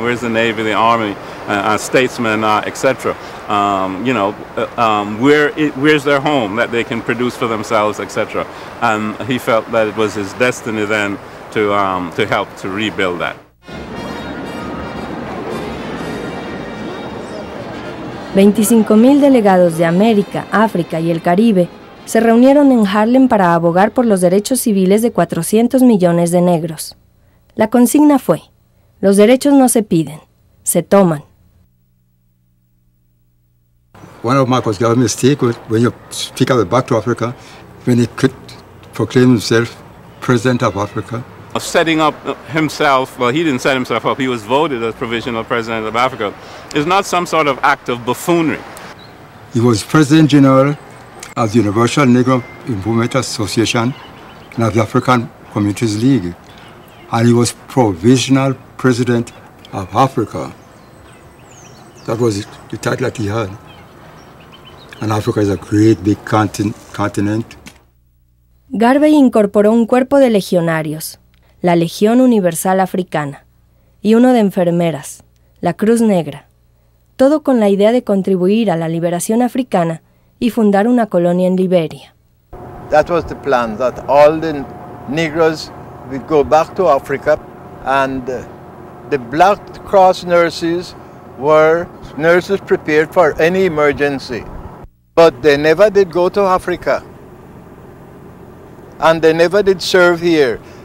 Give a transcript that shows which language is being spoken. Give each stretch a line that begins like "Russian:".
English: Where's the navy, the army, statesmen, etc. Where's their home that they can produce for themselves, etc. And he felt that it was his destiny then to help to rebuild that.
Spanish: 25,000 delegados de América, África y el Caribe se reunieron en Harlem para abogar por los derechos civiles de 400 millones de negros. La consigna fue: los derechos no se piden, se toman.
English: One of Marcus Garvey's mistakes when you speak of the back to Africa, when he could proclaim himself president of Africa. Setting up himself, well, he didn't set himself up, he was voted as provisional president of Africa, is not some sort of act of buffoonery. He was president general of the Universal Negro Movement Association and of the African Communities League, and he was provisional president of Africa. That was the title that he had. And Africa is a great big continent.
Spanish: Garvey incorporó un cuerpo de legionarios, la Legión Universal Africana, y uno de enfermeras, la Cruz Negra, todo con la idea de contribuir a la liberación africana y fundar una colonia en Liberia.
English: That was the plan, that all the Negroes would go back to Africa, and the Black Cross nurses were nurses prepared for any emergency. But they never did go to Africa, and they never did serve here.